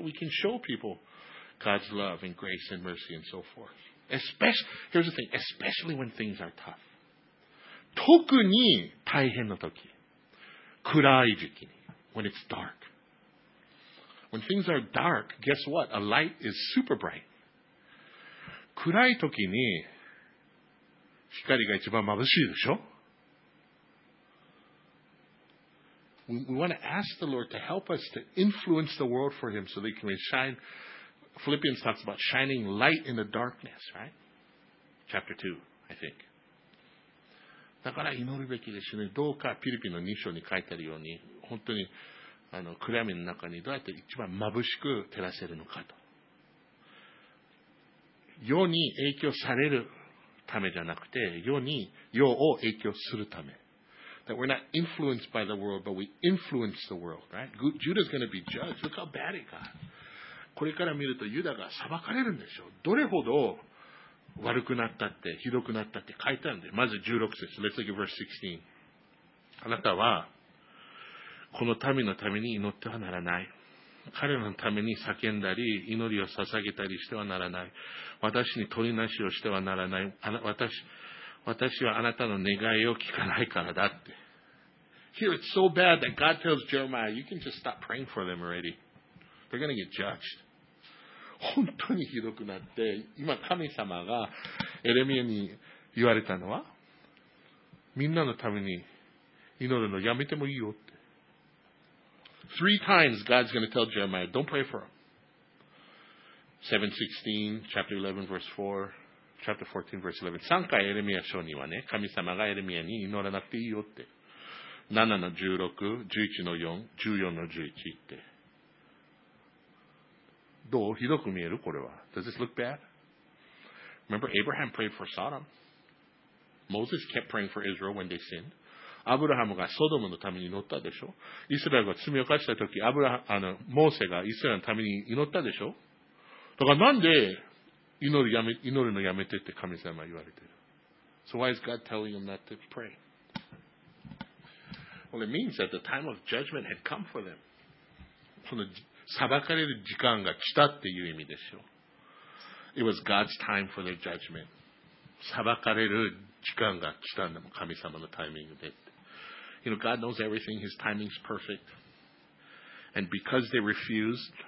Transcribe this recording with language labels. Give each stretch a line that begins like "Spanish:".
English: We can show people God's love and grace and mercy and so forth. Especially, here's the thing, especially when things are tough.
Japanese: 特に大変の時、暗い時期に、
English: when it's dark. When things are dark, guess what? A light is super bright.
Japanese: 暗い時に光が一番眩しいでしょ。
English: We want to ask the Lord to help us to influence the world for Him so they can shine. Philippians talks about shining light in the darkness, right? Chapter 2, I think.
Japanese: だから祈るべきですね。どうかピリピの2章に書いてあるように、本当にあの暗闇の中にどうやって一番眩しく照らせるのかと。世に影響されるためじゃなくて、世を影響するため。
English: That we're not influenced by the world, but we influence the world, right? Judah's going to be judged. Look how bad it got.
Japanese: これから見るとユダが裁かれるんでしょう。どれほど悪くなったって、ひどくなったって書いてあるんで。まず16節。
English: Let's look at verse 16.
Japanese: あなたは、この民のために祈ってはならない。彼のために叫んだり、祈りを捧げたりしてはならない。私に取りなしをしてはならない。私はあなたの願いを聞かないからだって。
English: Here it's so bad that God tells Jeremiah, you can just stop praying for them already. They're going to get judged.
Japanese: 本当にひどくなって、今神様がエレミアに言われたのは、みんなのために祈るのやめてもいいよって。
English: Three times God's going to tell Jeremiah, don't pray for them. 7:16, chapter 11, verse 4. Chapter 14, verse 11.
Japanese: 3回エレミア書にはね、神様がエレミアに祈らなくていいよって。 7の16、11の4、14の11って。どう？ひどく見える？これは。
English: Does this look bad? Remember, Abraham prayed for Sodom. Moses kept praying for Israel when they sinned.
Japanese: アブラハムがソドムのために祈ったでしょ？イスラエルが罪を犯したとき、モーセがイスラエルのために祈ったでしょ？だからなんで、祈るのやめてって神様は言われてる。
English: So why is God telling them not to pray? Well, it means that the time of judgment had come for them.
Japanese: この裁かれる時間が来たっていう意味でしょ。
English: It was God's time for their judgment.
Japanese: 裁かれる時間が来たんだもん、神様のタイミングで。
English: You know, God knows everything. His timing's perfect. And because they refused...